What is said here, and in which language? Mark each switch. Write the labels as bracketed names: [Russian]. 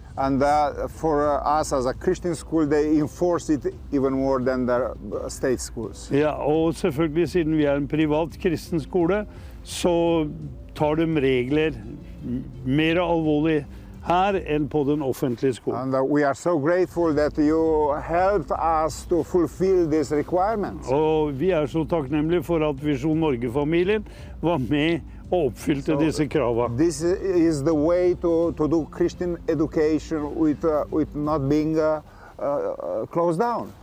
[English] And for us as a Christian school, they enforce it even more than the state schools. [Norwegian] Yeah, og selvfølgelig siden vi en privat kristen skole, så tar de regler mer alvorlig her enn på den offentlige skolen. [English] And we are so grateful that you helped us to fulfill these requirements. [Norwegian] Og vi så takknemlige for at Visjon Norge-familien var med og oppfylte disse kravene. [English] This is the way to do Christian education with not being closed down.